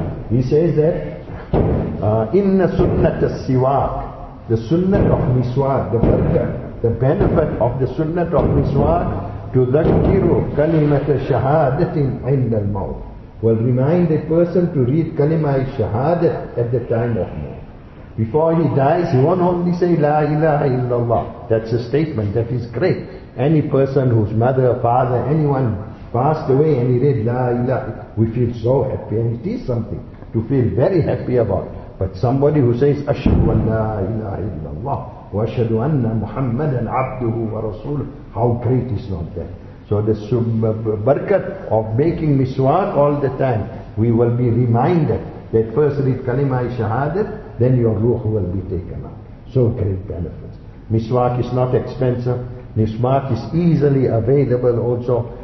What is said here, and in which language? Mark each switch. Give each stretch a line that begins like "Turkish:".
English: He says that,
Arabic: inna sunnat as-siwak,
English: the sunnat of miswak, the barakah, the benefit of the sunnat of miswak,
Arabic: تُذَكِّرُ كَلِمَةَ شَهَادَةٍ عِنَّ الْمَوْتِ
English: will remind a person to read kalimah shahadat at the time of mawt. Before he dies, he won't only say La ilaha illallah. That's a statement that is great. Any person whose mother, father, anyone passed away and he read La ilaha, we feel so happy, and it is something to feel very happy about. But somebody who says
Arabic: أَشْهَدُ أَنَّ لَا إِلَهَ إِلَّا اللَّهُ وَأَشْهَدُ أَنَّ مُحَمَّدًا عَبْدُهُ وَرَسُولُهُ,
English: how great is not that? So the barakat of making miswak all the time, we will be reminded that first read kalimah shahadat, then your ruh will be taken out. So great benefits. Miswak is not expensive. Miswak is easily available also.